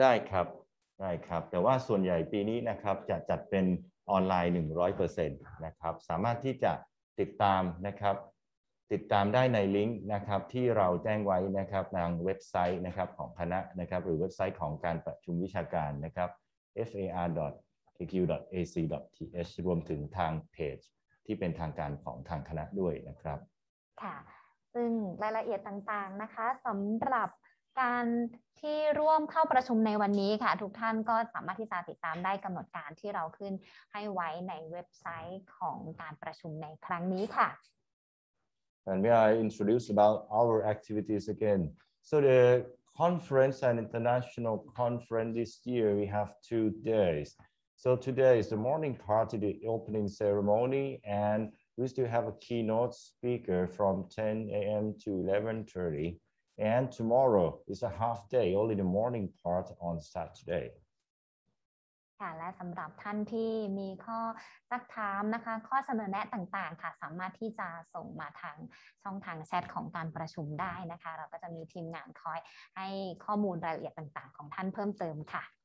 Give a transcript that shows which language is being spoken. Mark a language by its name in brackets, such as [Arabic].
[Thai] ได้ครับได้ครับแต่ว่าส่วนใหญ่ปีนี้นะครับจะจัดเป็นออนไลน์ 100% นะครับสามารถที่จะติดตามนะครับติดตามได้ในลิงก์นะครับที่เราแจ้งไว้นะครับทางเว็บไซต์นะครับของคณะนะครับหรือเว็บไซต์ของการประชุมวิชาการนะครับ far.aq.ac.th รวมถึงทางเพจที่เป็นทางการของทางคณะด้วยนะครับ ค่ะซึ่งรายละเอียดต่างๆนะคะสำหรับการที่ร่วมเข้าประชุมในวันนี้ค่ะทุกท่านก็สามารถที่จะติดตามได้กำหนดการที่เราขึ้นให้ไว้ในเว็บไซต์ของการประชุมในครั้งนี้ค่ะ [English] And may I introduce about our activities again. So the conference and international conference this year, we have 2 days. So today is the morning party, the opening ceremony, and we still have a keynote speaker from 10 a.m. to 11:30. And tomorrow is a half day, only the morning part on Saturday. [Thai] ค่ะและสำหรับท่านที่มีข้อซักถามนะคะข้อเสนอแนะต่างๆค่ะสามารถที่จะส่งมาทางช่องทางแชทของการประชุมได้นะคะเราก็จะมีทีมงานคอยให้ข้อมูลรายละเอียดต่างๆของท่านเพิ่มเติมค่ะ